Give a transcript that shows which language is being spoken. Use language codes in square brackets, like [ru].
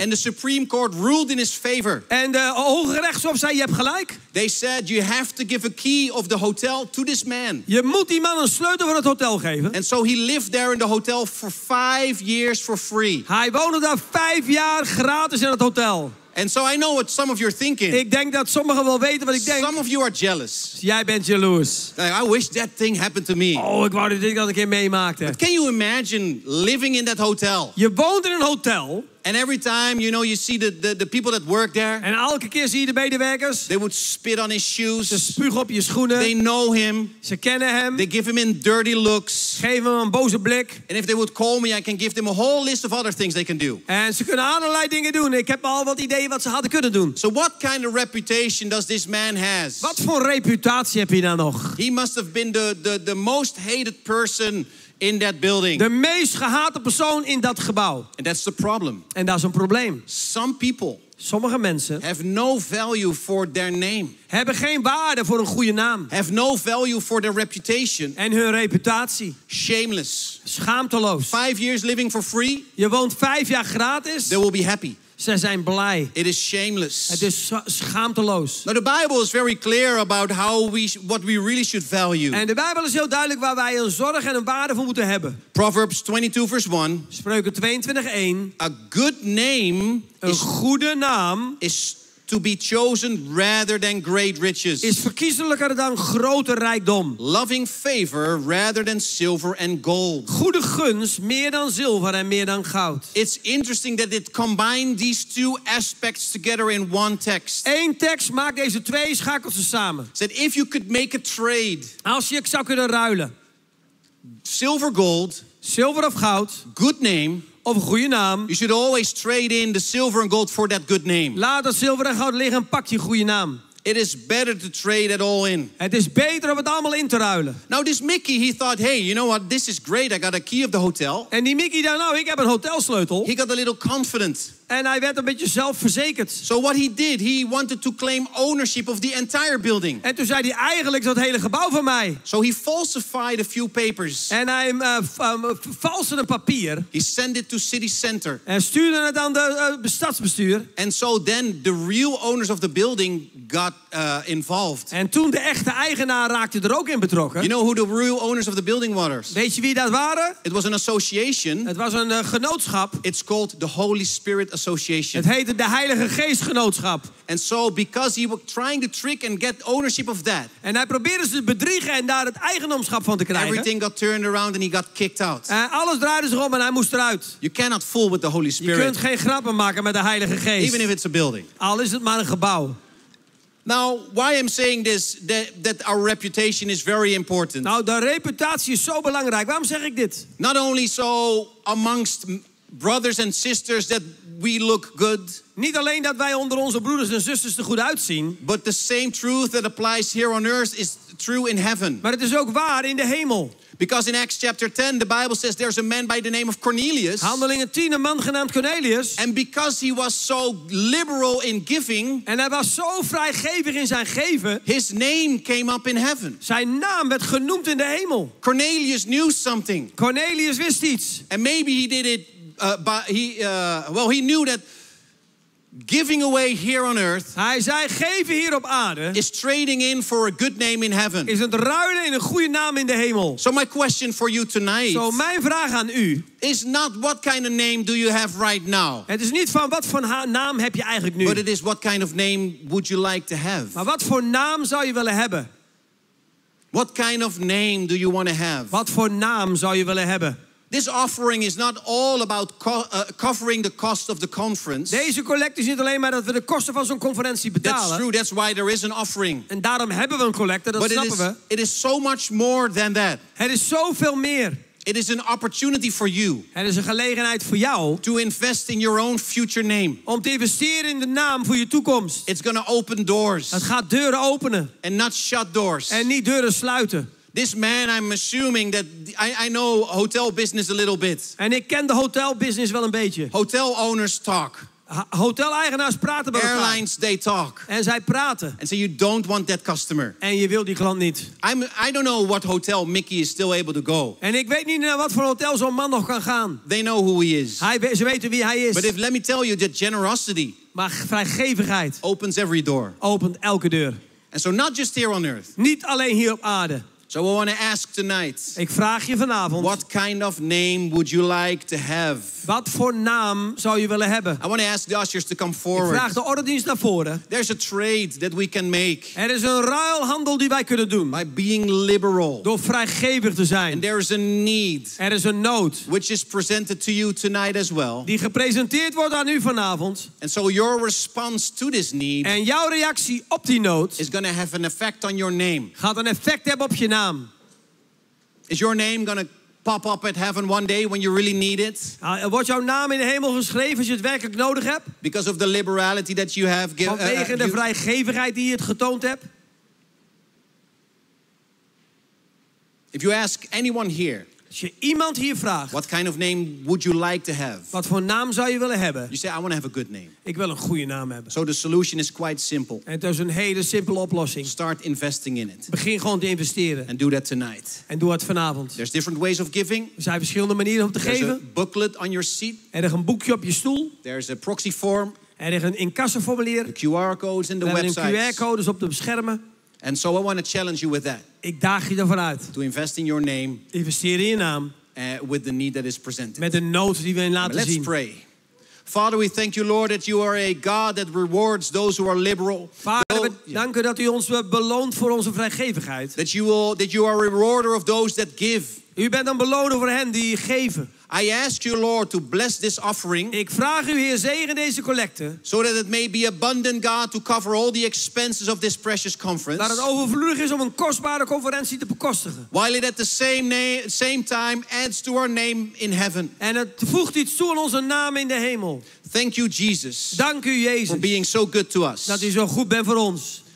[en] And the Supreme Court ruled in his favor. [nl] En de hoge rechtshof zei, je hebt gelijk. [en] They said, you have to give a key of the hotel to this man. [nl] Je moet die man een sleutel van het hotel geven. [en] And so he lived there in the hotel for 5 years for free. [nl] Hij woonde daar 5 jaar gratis in het hotel. [en] And so I know what some of you are thinking. [nl] Ik denk dat sommigen wel weten wat ik denk. [en] Some of you are jealous. [nl] Jij bent jaloers. [en] Like, I wish that thing happened to me. [nl] Oh, ik wou dat ik dat een keer meemaakte. [en] But can you imagine living in that hotel? [nl] Je woont in een hotel. [en] And every time, you know, you see the people that work there. [nl] En elke keer zie je de medewerkers. [en] They would spit on his shoes. [nl] Ze spugen op je schoenen. [en] They know him. [nl] Ze kennen hem. [en] They give him in dirty looks. [nl] Geven hem een boze blik. [en] And if they would call me, I can give them a whole list of other things they can do. [nl] En ze kunnen allerlei dingen doen. Ik heb al wat ideeën wat ze hadden kunnen doen. [en] So what kind of reputation does this man has? [nl] Wat voor reputatie heb je dan nog? [en] He must have been the most hated person in that building. [nl] De meest gehate persoon in dat gebouw. [en] And that's the problem. [nl] En dat is een probleem. [en] Some people. [nl] Sommige mensen. [en] Have no value for their name. [nl] Hebben geen waarde voor een goede naam. [en] Have no value for their reputation. [nl] En hun reputatie. [en] Shameless. [nl] Schaamteloos. [en] 5 years living for free. [nl] Je woont 5 jaar gratis. [en] They will be happy. [nl] Ze zijn blij. [en] It is shameless. [nl] Het is schaamteloos. [en] Now the Bible is very clear about how what we really should value. [nl] En de Bijbel is heel duidelijk waar wij een zorg en een waarde voor moeten hebben. [en] Proverbs 22 verse 1. [nl] Spreuken 22, 1. [en] A good name [nl] een is, goede naam [en] is to be chosen rather than great riches. [nl] Is verkiezelijker dan grote rijkdom. [en] Loving favor rather than silver and gold. [nl] Goede gunst meer dan zilver en meer dan goud. [en] It's interesting that it combined these two aspects together in one text. [nl] Eén tekst maakt deze twee schakels samen. [en] Said if you could make a trade. [nl] Als je zou kunnen ruilen. [en] Silver gold. [nl] Zilver of goud. [en] Good name. [nl] Of een goede naam. [en] You should always trade in the silver and gold for that good name. [nl] Laat dat zilver en goud liggen en pak je goede naam. [en] It is better to trade it all in. [nl] Het is beter om het allemaal in te ruilen. [en] Now this Mickey, he thought, hey, you know what? This is great. I got a key of the hotel. [nl] En die Mickey dacht, nou, ik heb een hotelsleutel. [en] He got a little confident. [nl] En hij werd een beetje zelfverzekerd. [en] So what he did, he wanted to claim ownership of the entire building. [nl] En toen zei hij, eigenlijk is dat hele gebouw van mij. [en] So he falsified a few papers. [nl] En hij valsde een papier. [en] He sent it to city center. [nl] En stuurde het aan de stadsbestuur. [en] And so then the real owners of the building got involved. [nl] En toen de echte eigenaar raakte er ook in betrokken. [en] You know who the real owners of the building were? [nl] Weet je wie dat waren? [en] It was an association. [nl] Het was een genootschap. [en] It's called the Holy Spirit Association. [nl] Het heette de Heilige Geestgenootschap. [en] And so because he was trying to trick and get ownership of that. [nl] En hij probeerde ze te bedriegen en daar het eigendomschap van te krijgen. [en] Everything got turned around and he got kicked out. [nl] Alles draaide zich om en hij moest eruit. [en] You cannot fool with the Holy Spirit. [nl] Je kunt geen grappen maken met de Heilige Geest. [en] Even if it's a building. [nl] Al is het maar een gebouw. [en] Now, why I'm saying this, that our reputation is very important. [nl] Nou, de reputatie is zo belangrijk. Waarom zeg ik dit? [en] Not only so amongst brothers and sisters that we look good. [nl] Niet alleen dat wij onder onze broeders en zusters er goed uitzien. [en] But the same truth that applies here on earth is true in heaven. [nl] Maar het is ook waar in de hemel. [en] Because in Acts chapter 10, the Bible says there's a man by the name of Cornelius. [nl] Handelingen 10, een man genaamd Cornelius. [en] And because he was so liberal in giving. [nl] En hij was zo vrijgevig in zijn geven. [en] His name came up in heaven. [nl] Zijn naam werd genoemd in de hemel. [en] Cornelius knew something. [nl] Cornelius wist iets. [en] And maybe he did it, he knew that giving away here on earth. [nl] Hij zei geven hier op aarde. [en] Is trading in for a good name in heaven. [nl] Is het ruilen in een goede naam in de hemel. [en] So my question for you tonight. [nl] Zo mijn vraag aan u. [en] Is not what kind of name do you have right now. [nl] Het is niet van wat voor naam heb je eigenlijk nu. [en] But it is what kind of name would you like to have. [nl] Maar wat voor naam zou je willen hebben? [en] What kind of name do you want to have? [nl] Wat voor naam zou je willen hebben? [en] This offering is not all about covering the cost of the conference. [nl] Deze collecte is niet alleen maar dat we de kosten van zo'n conferentie betalen. [en] That's true, that's why there is an offering. [nl] En daarom hebben we een collecte, dat [en] But [nl] snappen [en] it is, [nl] we. [en] It is so much more than that. [nl] Het is zoveel meer. [en] It is an opportunity for you. [nl] Het is een gelegenheid voor jou. [en] To invest in your own future name. [nl] Om te investeren in de naam voor je toekomst. [en] It's going to open doors. [nl] Het gaat deuren openen. [en] And not shut doors. [nl] En niet deuren sluiten. [en] This man, I'm assuming that I know hotel business a little bit. [nl] En ik ken de hotel business wel een beetje. [en] Hotel owners talk. [nl] Hotel-eigenaars praten bij elkaar. [en] Airlines, they talk. [nl] En zij praten. [en] And so you don't want that customer. [nl] En je wil die klant niet. [en] I don't know what hotel Mickey is still able to go. [nl] En ik weet niet naar wat voor hotel zo'n man nog kan gaan. [en] They know who he is. [nl] Ze weten wie hij is. [en] But if let me tell you that generosity. [nl] Maar vrijgevigheid. [en] Opens every door. [nl] Opent elke deur. [en] And so not just here on earth. [nl] Niet alleen hier op aarde. [en] So we want to ask tonight. [nl] Ik vraag je vanavond. [en] What kind of name would you like to have? [nl] Wat voor naam zou je willen hebben? [en] I want to ask the ushers to come forward. [nl] Ik vraag de orderdienst naar voren. [en] There's a trade that we can make. [nl] Er is een ruilhandel die wij kunnen doen. [en] By being liberal. [nl] Door vrijgevig te zijn. [en] And there is a need. [nl] Er is een nood. [en] Which is presented to you tonight as well. [nl] Die gepresenteerd wordt aan u vanavond. [en] And so your response to this need. [nl] En jouw reactie op die nood. [en] Is going to have an effect on your name. [nl] Gaat een effect hebben op je naam. [en] Is your name gonna pop up at heaven one day when you really need it? [nl] Wordt jouw naam in de hemel geschreven als je het werkelijk nodig hebt? [en] Because of the liberality that you have given. [nl] Vanwege de vrijgevigheid die je het getoond hebt. [en] If you ask anyone here. [nl] Als je iemand hier vraagt. [en] What kind of name would you like to have? [nl] Wat voor naam zou je willen hebben? [en] You say I want to have a good name. [nl] Ik wil een goede naam hebben. [en] So the solution is quite simple. [nl] En het is een hele simpele oplossing. [en] Start investing in it. [nl] Begin gewoon te investeren. [en] And do that tonight. [nl] En doe dat vanavond. [en] There's different ways of giving. [nl] Er zijn verschillende manieren om te geven. [en] There's a booklet on your seat. [nl] Er is een boekje op je stoel. [en] There's a proxy form. [nl] Er is een incassoformulier. [en] The QR codes in the website. [nl] Er zijn QR-codes op de schermen. [en] And so I want to challenge you with that. [nl] Ik daag je ervan uit. [en] To invest in your name. [nl] Investeer in je naam. [en] With the need that is presented. [nl] Met de nood die we laten [en] let's [nl] zien. [en] Let's pray. Father, we thank you, Lord, that you are a God that rewards those who are liberal. [nl] Vader, we danken dat u ons beloont voor onze vrijgevigheid. [en] That you are a rewarder of those that give. [nl] U bent een beloner voor hen die geven. [en] I ask you, Lord, to bless this offering. [nl] Ik vraag u, Heer, zegen deze collecte. [en] So that it may be abundant, God, to cover all the expenses of this precious conference. [nl] Dat het overvloedig is om een kostbare conferentie te bekostigen. [en] While it at the same time adds to our name in heaven. [nl] En het voegt iets toe aan onze naam in de hemel. [en] Thank you, Jesus. [nl] Dank u, Jezus. [en] For being so good to us. [nl] Dat u zo goed bent voor ons.